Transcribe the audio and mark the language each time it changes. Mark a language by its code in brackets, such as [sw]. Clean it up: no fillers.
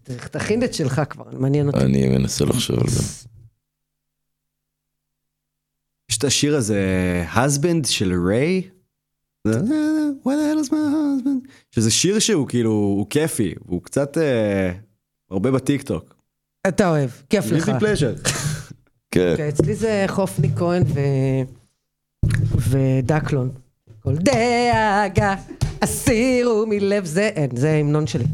[he] תכין את שלך כבר, מעניין אותי. אני מנסה לחשוב על זה. יש את השיר הזה, הסבנד של ריי? [en] What the hell is my husband? [he] שזה שיר שהוא כאילו, הוא כיפי, והוא קצת הרבה בטיק טוק. אתה אוהב, כיף לך. [en] Guilty pleasure. [he] כן. אצלי זה חופני כהן ודקלון. כל דאגה, אסירו מלב זה, אין, זה המנון שלי.